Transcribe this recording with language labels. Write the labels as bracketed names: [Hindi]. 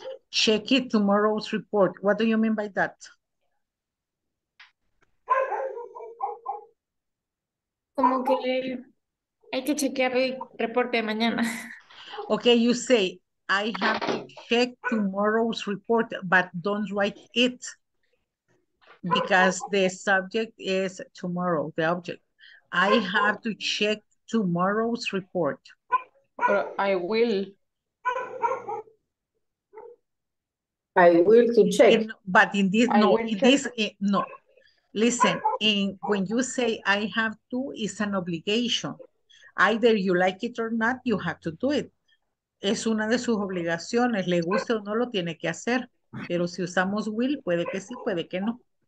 [English] Check it tomorrow's report. What do you mean by that? [Spanish] Como que hay que chequear el reporte de mañana. [English] Okay, you say, I have to check tomorrow's report, but don't write it. Because the subject is tomorrow, the object. I have to check tomorrow's report. I will to check. Listen, when you say I have to, it's an obligation. Either you like it or not, you have to do it. [Spanish] Es una de sus obligaciones. Le guste o no, lo tiene que hacer. Pero si usamos will, puede que sí, puede que no.